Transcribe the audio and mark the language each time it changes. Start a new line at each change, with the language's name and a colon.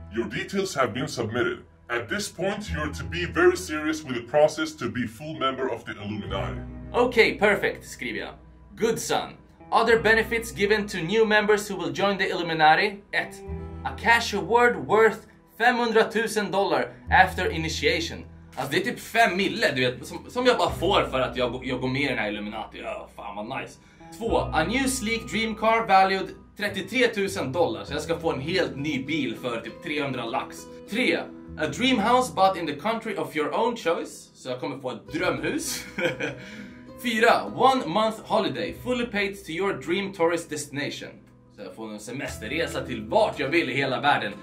English: Your details have been submitted. At this point you are to be very serious with the process to be full member of the Illuminati. Okay, perfect,
Swedish: skriver jag.
English: Good son. Other benefits given to new members who will join the Illuminati. 1. A cash award worth $500,000 after initiation.
Swedish: Alltså det är typ 5 mille, du vet, som jag bara får för att jag går med i den här Illuminati. Ja, fan vad nice. 2.
English: A new sleek dream car valued $33,000.
Swedish: Så jag ska få en helt ny bil för typ 300 lax.
English: 3. A dream house bought in the country of your own choice.
Swedish: Så jag kommer få ett drömhus.
English: 4. One month holiday fully paid to your dream tourist destination.
Swedish: Så jag får en semesterresa till vart jag vill i hela världen.